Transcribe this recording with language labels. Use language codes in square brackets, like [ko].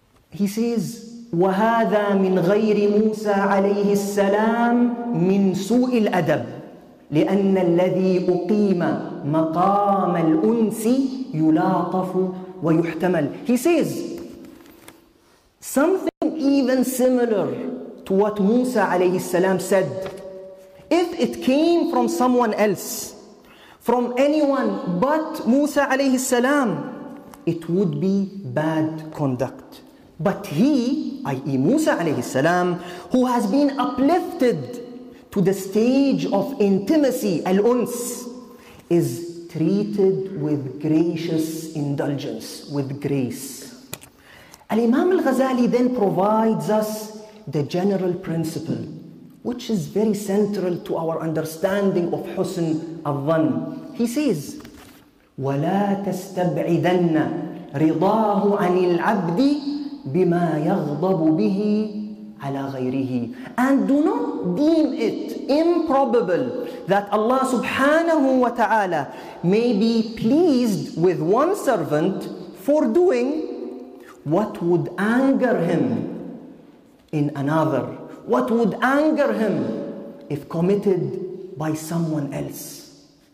[en] He says, [ar] wa hadha min ghayri Musa alayhi salam min su' al-adab, لأن الذي أقيم مقام الأنس يلاطف ويحتمل. [en] He says, something even similar to what Musa alayhi salam said, if it came from someone else, from anyone but Musa alayhi salam, it would be bad conduct. But he, i.e. Musa alayhi salam, who has been uplifted to the stage of intimacy, al-uns, is treated with gracious indulgence, with grace. Al-Imam al-Ghazali then provides us the general principle, which is very central to our understanding of husn al-dhan. He says, [ar] وَلَا تَسْتَبْعِدَنَّ رضاه عن العبد بما يغضب به على غيره. [en] And do not deem it improbable that Allah subhanahu wa ta'ala may be pleased with one servant for doing what would anger him in another, what would anger him if committed by someone else.